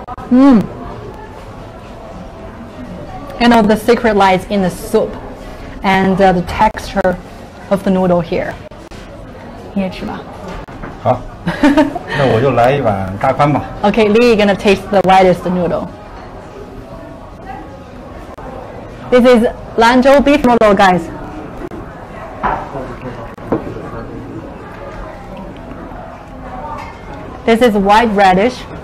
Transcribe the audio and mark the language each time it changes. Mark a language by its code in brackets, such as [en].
[en] Mmm. And all the secret lies in the soup and the texture of the noodle here. [zh] 你也吃吧。好，那我就来一碗大宽吧。 [en] Okay, Lee, you're gonna taste the widest noodle. This is Lanzhou beef noodle, guys. This is white radish.